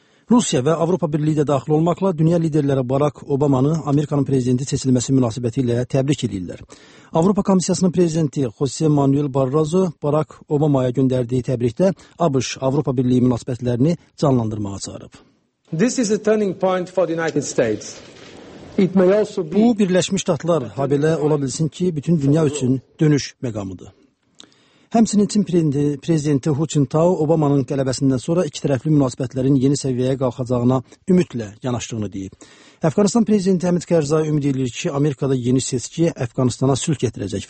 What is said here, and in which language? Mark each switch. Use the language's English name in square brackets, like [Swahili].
[Azerbaijani] Rusiya və Avropa Birliyi də daxil olmaqla dünya liderləri Barack Obamanı Amerikanın prezidenti seçilməsi münasibəti ilə təbrik edirlər. Avropa Komissiyasının prezidenti José Manuel Barroso Barack Obamaya göndərdiyi təbrikdə ABŞ Avropa Birliyi münasibətlərini canlandırmağa çağırıb. [English] This is a turning point for the United States. [Azerbaijani] Bu, Birləşmiş Ştatlar, habelə ola bilsin ki, bütün dünya üçün dönüş məqamıdır. Həmsinin Çin prezidenti Hu Jintao Obamanın qələbəsindən sonra iki tərəfli münasibətlərin yeni səviyyəyə qalxacağına ümidlə yanaşdığını deyib. Əfqanistan prezidenti Həmid Kərzai ümid edir ki, Amerikada yeni seçki Əfqanistana sülh gətirəcək.